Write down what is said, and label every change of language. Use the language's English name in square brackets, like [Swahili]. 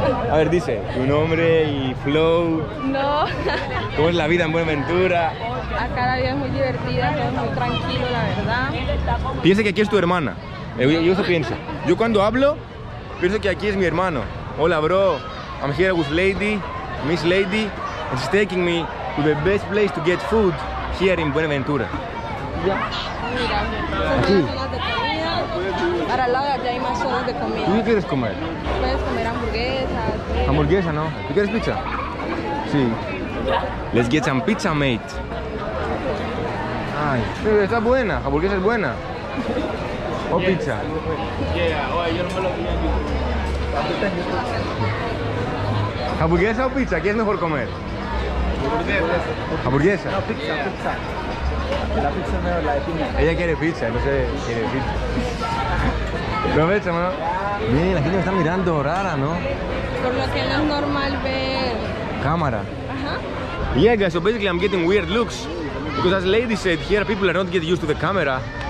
[Spanish] A ver, dice, tu nombre y flow. No. ¿Cómo es la vida en Buenaventura? Acá la vida es muy divertida, es muy tranquilo, la verdad. Piensa que aquí es tu hermana. Yo eso pienso. Yo cuando hablo, pienso que aquí es mi hermano. Hola, [English] bro. I'm here with Lady, Miss Lady. And she's taking me to the best place to get food here in Buenaventura. [Spanish] Ya. Mira, son zonas de comida. Para el lado de allá hay más zonas de comida. ¿Tú qué quieres comer? Hamburguesa. Hamburguesa, ¿no? ¿Tú quieres pizza? Sí. [English] Let's get some pizza, mate. [Spanish] Ay, pero está buena. Hamburguesa es buena. ¿O pizza? ¿Hamburguesa o pizza? ¿Qué es mejor comer? Hamburguesa. ¿Hamburguesa? No, pizza. La pizza es mejor, la de piña. Ella quiere pizza, no sé, quiere pizza. Aprovecha, mano. Mira, la gente me está mirando rara, ¿no? Por lo que no es normal ver. Cámara. Ajá. [English] Yeah, guys, so basically I'm getting weird looks. Because as Lady said, here people are not get used to the camera.